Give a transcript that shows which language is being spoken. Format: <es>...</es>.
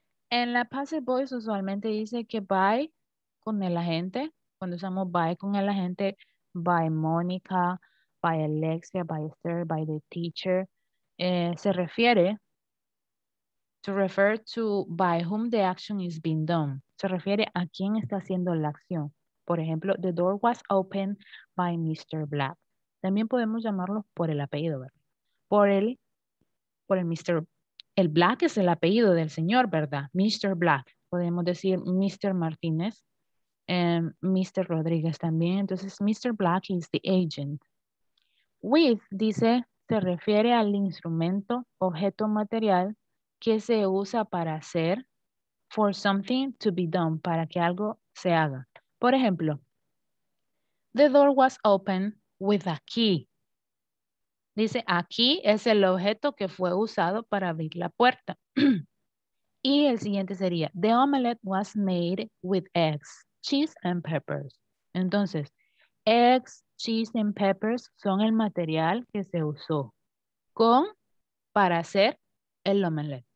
<es>En la passive voice usualmente dice que by con el agente. Cuando usamos by con el agente, by Monica, by Alexia, by Esther, by the teacher, se refiere</es> <en>to refer to by whom the action is being done.</en> <es>Se refiere a quién está haciendo la acción. Por ejemplo,</es> <en>the door was opened by Mr.</en> <es>Black. También podemos llamarlo por el apellido, ¿verdad? Por el Mr. El Black es el apellido del señor, ¿verdad? Mr. Black. Podemos decir Mr. Martínez. Mr. Rodríguez también. Entonces, Mr. Black</es> <en>is the agent. With,</en> <es>dice, se refiere al instrumento, objeto material que se usa para hacer,</es> <en>for something to be done,</en> <es>para que algo se haga. Por ejemplo,</es> <en>the door was opened with a key.</en> <es>Dice, a key es el objeto que fue usado para abrir la puerta. Y el siguiente sería,</es> <en>the omelette was made with eggs, cheese and peppers.</en> <es>Entonces,</es> <en>eggs, cheese and peppers</en> <es>son el material que se usó con para hacer el omelette.</es>